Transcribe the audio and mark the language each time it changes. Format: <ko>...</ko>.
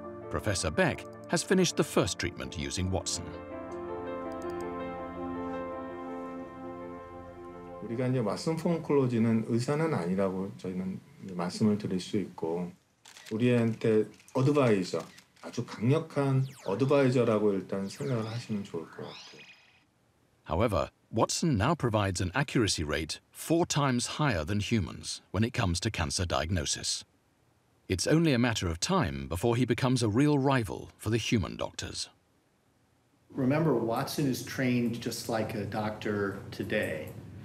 <en>Professor Beck has finished the first treatment using Watson.</en> <ko>우리가 이제 왓슨 폼클로지는 의사는 아니라고 저희는 말씀을 드릴 수 있고 우리한테 어드바이저, 아주 강력한 어드바이저라고 일단 생각을 하시면 좋을 것 같아요.</ko> <en>However, Watson now provides an accuracy rate 4 times higher than humans when it comes to cancer diagnosis. It's only a matter of time before he becomes a real rival for the human doctors. Remember, Watson is trained just like a doctor today.</en>